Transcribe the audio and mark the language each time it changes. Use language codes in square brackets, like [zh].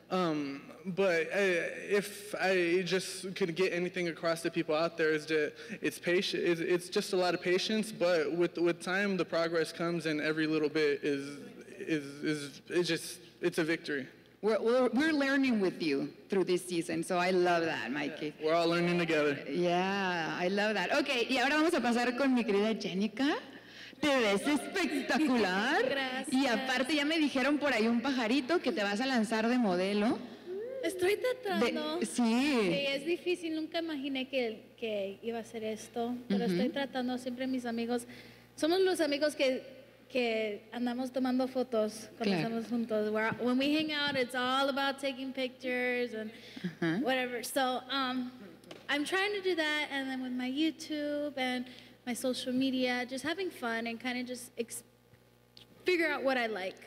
[en] But if I just could get anything across to people out there, it's just a lot of patience. But with time, the progress comes, and every little bit is a victory. We're learning with you through this season, so I love that, Mikey. Yeah, we're all learning together. Yeah, I love that. [es] Okay, y ahora vamos a pasar con mi querida Jenica. Te ves espectacular. Gracias. Y aparte ya me dijeron por ahí un pajarito que te vas a lanzar de modelo. Estoy tratando. Sí. Sí, es difícil. Nunca imaginé que iba a ser esto, pero uh-huh, estoy tratando. Siempre mis amigos, somos los amigos que que andamos tomando fotos cuando claro. estamos juntos. [en] When we hang out, it's all about taking pictures and uh-huh. whatever. So I'm trying to do that, and then with my YouTube and my social media, just having fun and kind of just figure out what I like.